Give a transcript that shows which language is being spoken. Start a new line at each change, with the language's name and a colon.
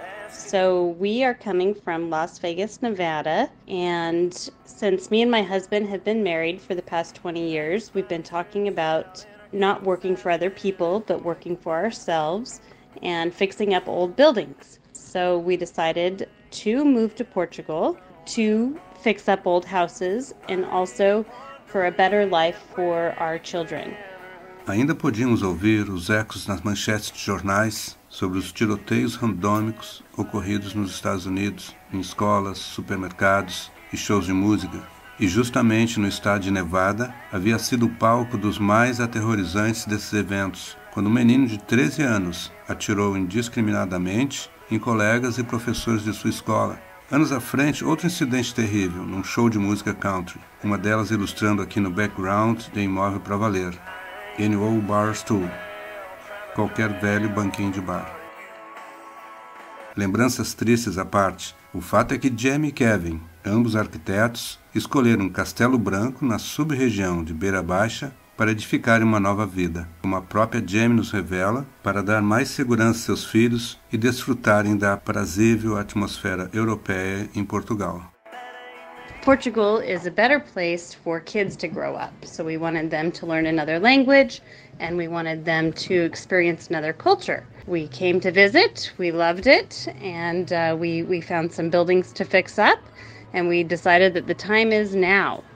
English: So we are coming from Las Vegas, Nevada, and since me and my husband have been married for the past 20 years, we've been talking about not working for other people, but working for ourselves and fixing up old buildings. So we decided to move to Portugal to fix up old houses and also for a better life for our children.
Portuguese: Ainda podíamos ouvir os ecos nas manchetes de jornais sobre os tiroteios randômicos ocorridos nos Estados Unidos, em escolas, supermercados e shows de música. E justamente no estado de Nevada, havia sido o palco dos mais aterrorizantes desses eventos, quando um menino de 13 anos atirou indiscriminadamente em colegas e professores de sua escola. Anos à frente, outro incidente terrível, num show de música country, uma delas ilustrando aqui no background de Imóvel para Valer, Any Old Bar Stool, qualquer velho banquinho de bar. Lembranças tristes à parte, o fato é que Jamie e Kevin, ambos arquitetos, escolheram Castelo Branco na sub-região de Beira Baixa para edificar uma nova vida, como a própria Jamie nos revela, para dar mais segurança aos seus filhos e desfrutarem da aprazível atmosfera europeia em Portugal.
English: Portugal is a better place for kids to grow up, so we wanted them to learn another language and we wanted them to experience another culture. We came to visit, we loved it, and we found some buildings to fix up, and we decided that the time is now.